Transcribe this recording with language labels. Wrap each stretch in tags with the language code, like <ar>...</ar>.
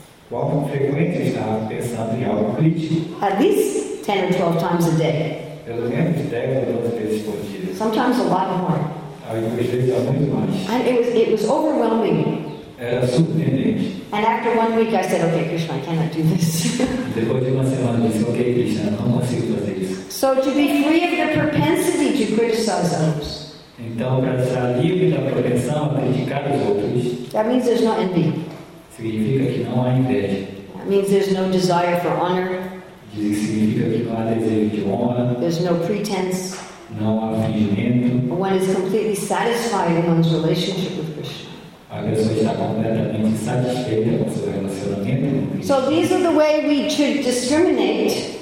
<pt>Qual frequência estava pensando em algo crítico?</pt> <en>At least 10 or 12 times a day.</en> <pt>Pelo menos 10 ou 12 vezes por dia.</pt> <en>Sometimes a lot more.</en> <pt>Algumas vezes há muito mais.</pt> <en>And it was overwhelming.</en> <pt>Era surpreendente.</pt> <en>And after 1 week I said, okay, Krishna, I cannot do this.</en> <pt>Depois de uma semana disse, ok, Krishna, não consigo fazer isso.</pt> <en>So to be free of the propensity to criticize others.</en> <pt>Então, para estar livre da propensão a criticar os outros.</pt> <en>That means there's no envy.</en> <pt>Significa que não há inveja.</pt> <en>That means there's no desire for honor.</en> <pt>Significa que não há desejo de honra.</pt> <en>There's no pretense.</en> <pt>Não há fingimento.</pt> <en>One is completely satisfied in one's relationship with Krishna.</en> <pt>A pessoa está completamente satisfeita com seu relacionamento.</pt> <en>So these are the way we should discriminate.</en>